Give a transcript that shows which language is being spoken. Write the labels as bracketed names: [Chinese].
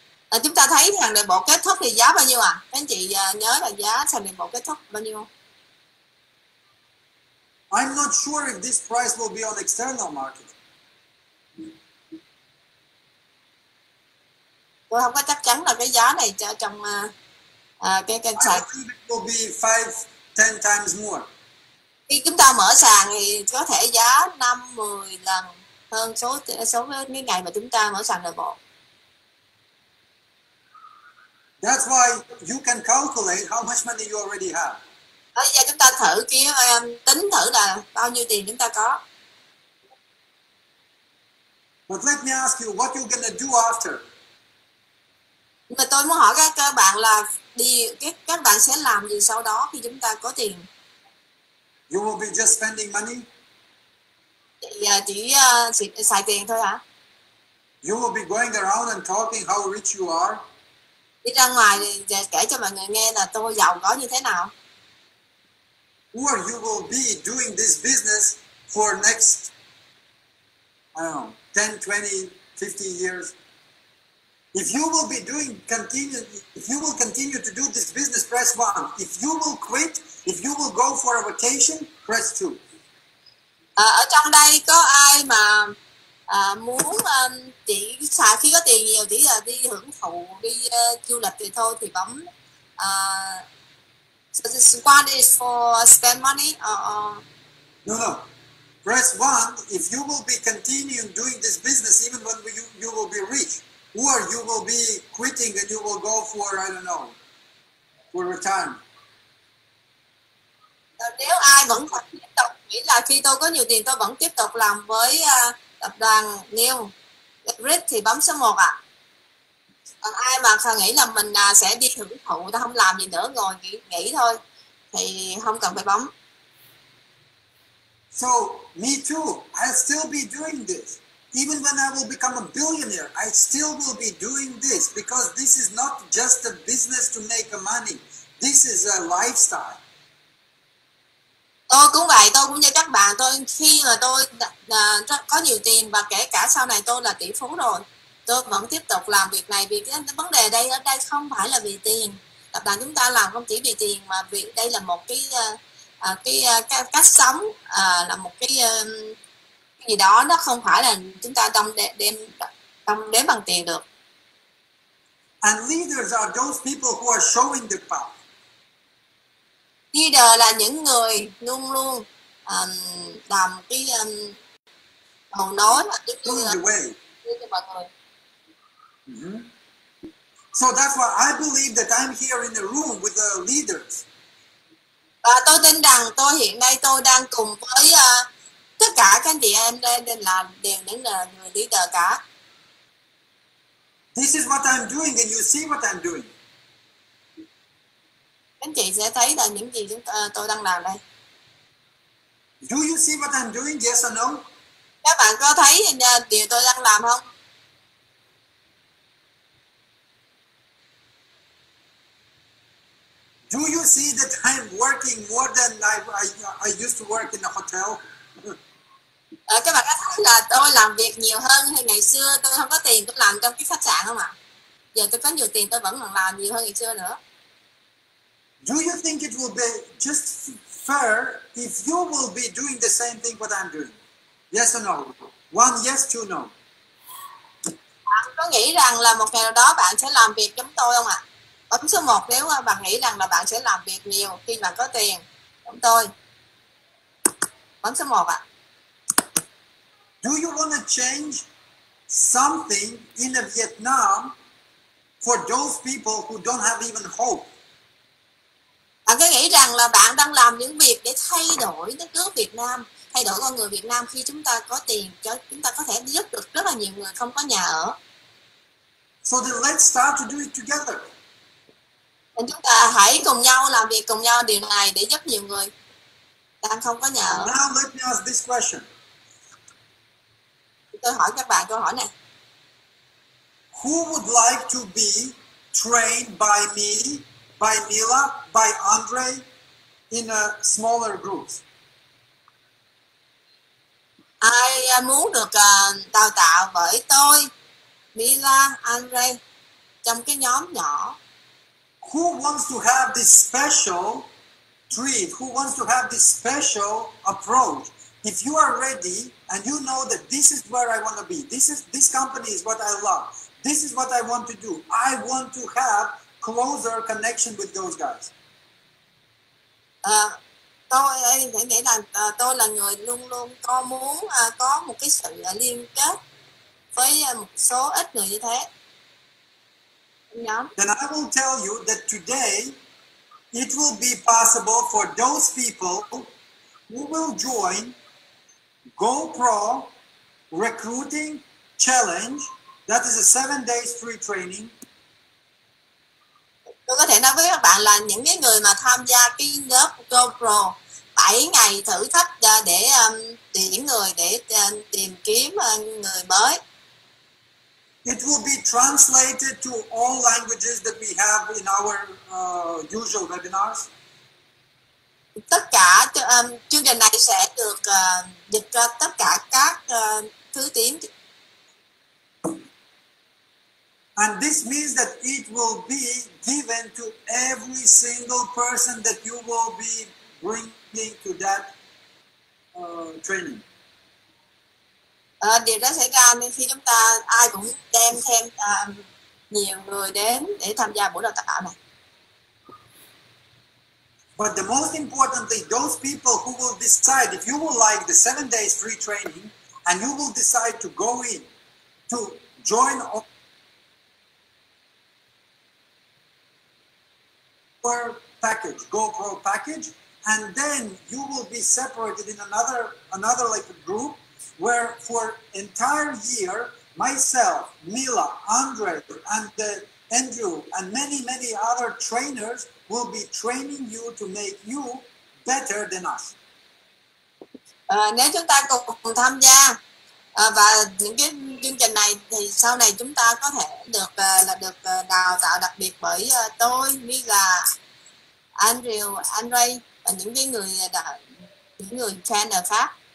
[Vietnamese] Tôi chúng ta thấy hàng nội bộ kết thúc thì giá bao nhiêu ạ? Các anh chị nhớ là giá hàng nội bộ kết thúc bao nhiêu? [English] I'm not sure if this price will be on external market. [Vietnamese] Tôi không có chắc chắn là cái giá này cho trong cái sàn. [English] I think it will be 5-10 times more. [Vietnamese] Khi chúng ta mở sàn thì có thể giá 5-10 lần hơn số cái ngày mà chúng ta mở sàn nội bộ. [English] That's why you can calculate how much money you already have. [Vietnamese] Bây giờ chúng ta thử tính thử là bao nhiêu tiền chúng ta có. [English] But let me ask you what you're gonna do after. [Vietnamese] Mà tôi muốn hỏi các bạn là đi các bạn sẽ làm gì sau đó khi chúng ta có tiền? [English] You will be just spending money. [Vietnamese] Chỉ xài tiền thôi hả? [English] You will be going around and talking how rich you are. [Vietnamese] Đi ra ngoài thì kể cho mọi người nghe là tôi giàu có như thế nào. [English] Or you will be doing this business for next, I don't know, 10, 20, 50 years. If you will be doing continue, if you will continue to do this business, press 1. If you will quit, if you will go for a vacation, press 2. [Vietnamese] Ở trong đây có ai mà muốn chỉ xài khi có tiền nhiều chỉ là đi hưởng thụ, đi du lịch thì thôi thì bấm. [English] So this one is for spend money No, no. Press 1 if you will be continuing doing this business even when you will be rich, or you will be quitting and you will go for, I don't know, for retirement. [Vietnamese] Nếu ai vẫn còn tiếp tục nghĩ là khi tôi có nhiều tiền tôi vẫn tiếp tục làm với tập đoàn New Rich thì bấm số 1 ạ. Còn ai mà còn nghĩ là mình sẽ đi hưởng thụ, ta không làm gì nữa, ngồi nghỉ thôi thì không cần phải bấm. [English] So, me too. I'll still be doing this. Even when I will become a billionaire, I still will be doing this because this is not just a business to make a money. This is a lifestyle. [Vietnamese] Tôi cũng vậy, tôi cũng như các bạn, tôi khi mà tôi có nhiều tiền và kể cả sau này tôi là tỷ phú rồi, tôi vẫn tiếp tục làm việc này, vì cái vấn đề đây ở đây không phải là vì tiền. Tập đoàn chúng ta làm không chỉ vì tiền mà vì đây là một cái cách sống, là một cái gì đó, nó không phải là chúng ta đong đếm bằng tiền được. [English] And leaders are those people who are showing the power. [Vietnamese] Leader là những người luôn luôn làm cái cầu nối và giúp [English] Showing the way. [Vietnamese] cho mọi người. [English] So that's why I believe that I'm here in the room with the leaders. [Vietnamese] Và tôi tin rằng tôi hiện nay tôi đang cùng với tất cả các anh chị em đây nên là đều những là người leader cả. [English] This is what I'm doing, and you see what I'm doing. [Vietnamese] Anh chị sẽ thấy là những gì chúng tôi đang làm đây. [English] Do you see what I'm doing, yes or no? [Vietnamese] Các bạn có thấy điều tôi đang làm không? [English] Do you see that I'm working more than I used to work in a hotel? [Vietnamese] Các bạn có thấy là tôi làm việc nhiều hơn hay ngày xưa? Tôi không có tiền, tôi làm trong cái khách sạn không ạ? Giờ tôi có nhiều tiền, tôi vẫn còn làm nhiều hơn ngày xưa nữa. [English] Do you think it will be just fair if you will be doing the same thing what I'm doing? Yes or no? One yes, two no. [Vietnamese] Có nghĩ rằng là một ngày nào đó bạn sẽ làm việc giống tôi không ạ? Bấm số 1 nếu bạn nghĩ rằng là bạn sẽ làm việc nhiều khi bạn có tiền giống tôi. Bấm số 1 ạ. [English] Do you want to change something in Vietnam for those people who don't have even hope? [Vietnamese] Bạn có nghĩ rằng là bạn đang làm những việc để thay đổi đất nước Việt Nam, thay đổi con người Việt Nam khi chúng ta có tiền, cho chúng ta có thể giúp được rất là nhiều người không có nhà ở. [English] So then let's start to do it together. [Vietnamese] Chúng ta hãy cùng nhau làm việc cùng nhau điều này để giúp nhiều người đang không có nhà ở. [English] Now let me ask this question. [Vietnamese] Tôi hỏi các bạn câu hỏi này. [English] Who would like to be trained by me, by Mila, by Andre in a smaller group? [Vietnamese] Ai muốn được đào tạo bởi tôi, Mila, Andre trong cái nhóm nhỏ? [English] Who wants to have this special treat? Who wants to have this special approach? If you are ready and you know that this is where I want to be, this company is what I love, this is what I want to do, I want to have closer connection with those guys. [Vietnamese] Tôi ấy nghĩ là tôi là người luôn luôn có muốn có một cái sự liên kết với một số ít người như thế nhóm. [English] Then I will tell you that today it will be possible for those people who will join GoPro Recruiting Challenge. That is a 7 days free training. [Vietnamese] Tôi có thể nói với các bạn là những cái người mà tham gia cái lớp GoPro 7 ngày thử thách để tuyển người để tìm kiếm người mới. [English] It will be translated to all languages that we have in our usual webinars. [Vietnamese] Tất cả chương trình này sẽ được dịch cho tất cả các thứ tiếng. [English] And this means that it will be given to every single person that you will be bringing to that training. [Vietnamese] Điều đó xảy ra nên khi chúng ta ai cũng đem thêm nhiều người đến để tham gia buổi đào tạo này. [English] But the most important thing, those people who will decide if you will like the 7 days free training and you will decide to go in to join our package, GoPro package, And then you will be separated in another like a group where for entire year, myself, Mila, Andre, and Andrew, and many, many other trainers will be training you to make you better than us. [Vietnamese] Nếu chúng ta cùng tham gia và những cái chương trình này thì sau này chúng ta có thể được là được đào tạo đặc biệt bởi tôi, Mila, Andrew, Andre và những cái người đã những người trainer khác.